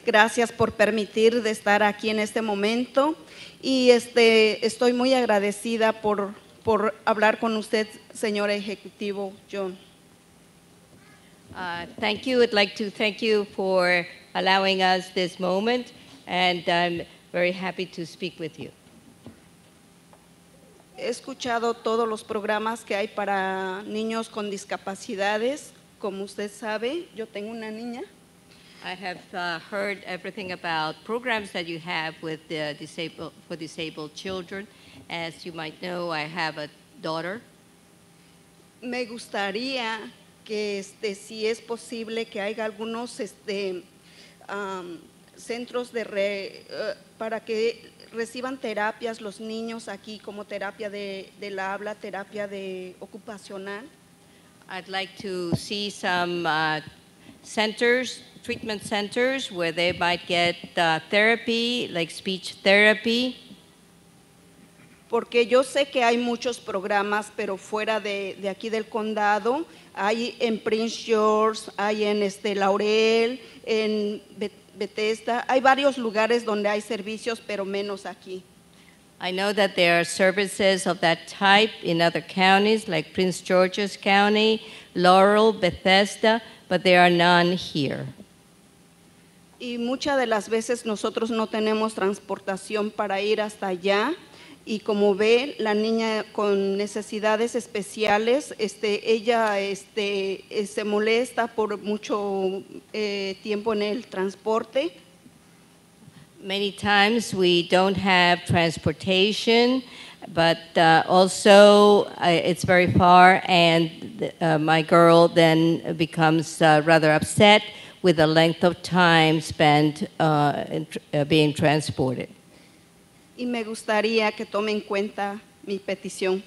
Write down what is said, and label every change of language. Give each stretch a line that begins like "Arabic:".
Spanish: Gracias por permitir de estar aquí en este momento. Y estoy muy agradecida por hablar con usted, señor ejecutivo John.
English: Thank you. I'd like to thank you for allowing us this moment, and I'm very happy to speak with you.
Spanish: He escuchado todos los programas que hay para niños con discapacidades. Como usted sabe, yo tengo una niña.
English: I have heard everything about programs that you have with the disabled children. As you might know, I have a daughter.
Spanish: Me gustaría que si es posible que haya algunos centros de para que reciban terapias los niños aquí como terapia de la habla, terapia de ocupacional.
English: I'd like to see some centers. Treatment centers where they might get therapy, like speech therapy.
Spanish: Porque yo sé que hay muchos programas, pero fuera de aquí del condado, hay en Prince George, hay en Laurel, en Bethesda, hay varios lugares donde hay servicios, pero menos aquí.
English: I know that there are services of that type in other counties, like Prince George's County, Laurel, Bethesda, but there are none here.
Spanish: Y muchas de las veces nosotros no tenemos transportación para ir hasta allá. Y como ve, la niña con necesidades especiales, ella se molesta por mucho tiempo en el transporte.
English: Many times we don't have transportation, but also it's very far, and my girl then becomes rather upset with the length of time spent being transported.
Spanish: Y me gustaría que tome en cuenta mi petición.